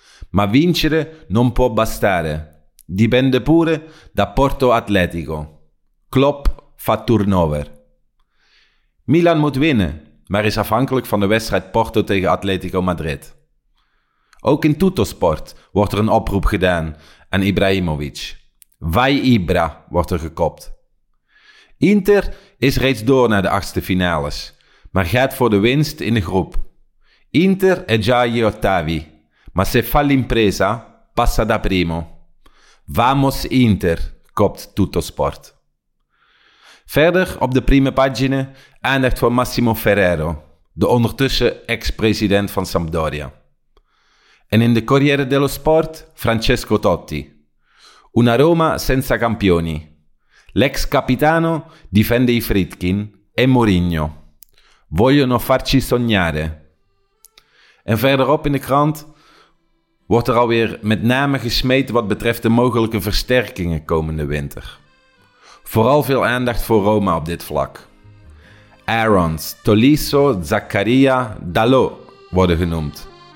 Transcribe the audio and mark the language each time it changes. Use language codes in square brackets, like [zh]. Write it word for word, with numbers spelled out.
[it] Ma vincere non può bastare, dipende pure da Porto Atletico. Klopp fa turnover. [nl] Milan moet winnen, maar is afhankelijk van de wedstrijd Porto tegen Atletico Madrid. Ook in Tuttosport wordt er een oproep gedaan aan Ibrahimovic. Vai Ibra wordt er gekopt. Inter is reeds door naar de achtste finales, maar gaat voor de winst in de groep. [it] Inter è già agli ottavi, ma se fa l'impresa passa da primo. [nl] Vamos Inter, kopt Tuttosport. Verder op de prima pagina aandacht voor Massimo Ferrero, de ondertussen ex-president van Sampdoria. En in de Corriere dello Sport Francesco Totti. [it] Una Roma senza campioni. L'ex capitano difende i Friedkin e Mourinho. Vogliono farci sognare. [nl] En verderop in de krant wordt er alweer met name gesmeten wat betreft de mogelijke versterkingen komende winter. Vooral veel aandacht voor Roma op dit vlak. Aarons, Tolisso, Zaccaria, Dalot worden genoemd.